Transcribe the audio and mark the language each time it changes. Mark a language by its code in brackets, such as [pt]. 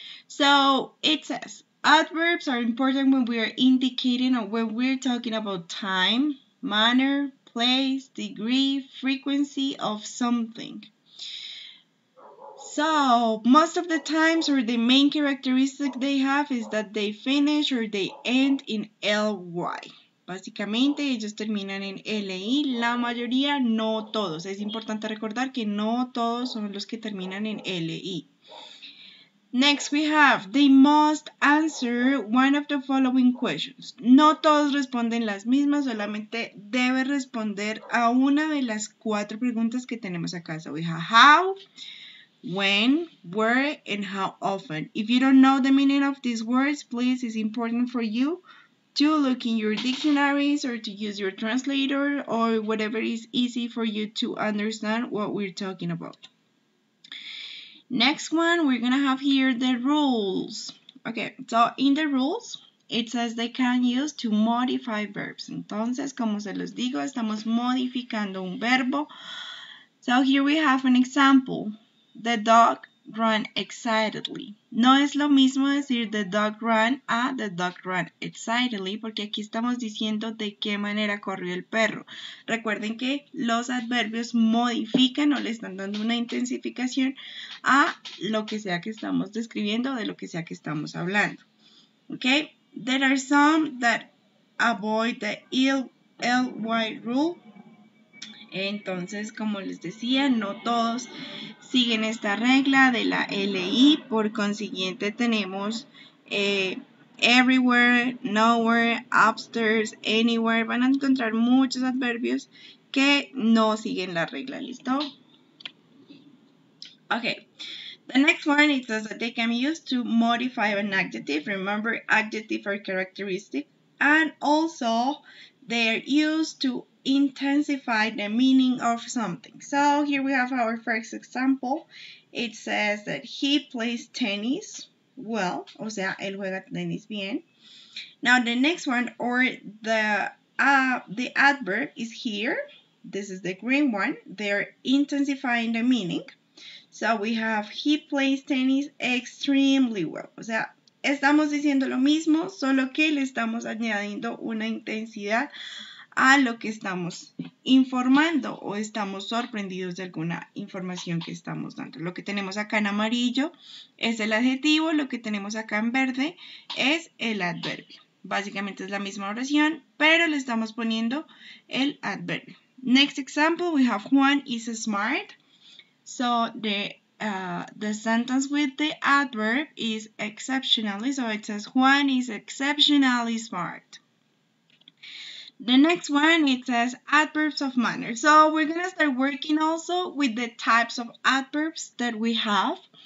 [en] So, it says, adverbs are important when we are indicating or when we're talking about time, manner, place, degree, frequency of something. So, most of the times, or the main characteristic they have is that they finish or they end in ly. [es] Básicamente, ellos terminan en L-I, la mayoría, no todos. Es importante recordar que no todos son los que terminan en L-I. [en] Next we have, they must answer one of the following questions. [es] No todos responden las mismas, solamente debe responder a una de las cuatro preguntas que tenemos acá. [en] So we have how, when, where, and how often. If you don't know the meaning of these words, please, it's important for you to look in your dictionaries or to use your translator or whatever is easy for you to understand what we're talking about. Next one, we're gonna have here the rules. Okay, so in the rules, it says they can use to modify verbs. [es] Entonces, como se los digo, estamos modificando un verbo. [en] So here we have an example. The dog ran excitedly. [es] No es lo mismo decir [en] the dog ran a the dog ran excitedly, [es] porque aquí estamos diciendo de qué manera corrió el perro. Recuerden que los adverbios modifican o le están dando una intensificación a lo que sea que estamos describiendo, de lo que sea que estamos hablando. [en] Okay? There are some that avoid the ly rule. [es] Entonces, como les decía, no todos siguen esta regla de la LI, por consiguiente tenemos [en] everywhere, nowhere, upstairs, anywhere. [es] Van a encontrar muchos adverbios que no siguen la regla, ¿listo? [en] Okay, the next one, it says that they can be used to modify an adjective. Remember, adjective or characteristic. And also, they are used to intensify the meaning of something. So here we have our first example. It says that he plays tennis well. [es] O sea, él juega tenis bien. [en] Now the next one, or the adverb is here. This is the green one. They're intensifying the meaning. So we have he plays tennis extremely well. [es] O sea, Estamos diciendo lo mismo, solo que le estamos añadiendo una intensidad a lo que estamos informando o estamos sorprendidos de alguna información que estamos dando. Lo que tenemos acá en amarillo es el adjetivo, lo que tenemos acá en verde es el adverbio. Básicamente es la misma oración, pero le estamos poniendo el adverbio. [en] Next example, we have Juan is smart. So the sentence with the adverb is exceptionally. So it says Juan is exceptionally smart. The next one, it says adverbs of manner. So we're going to start working also with the types of adverbs that we have.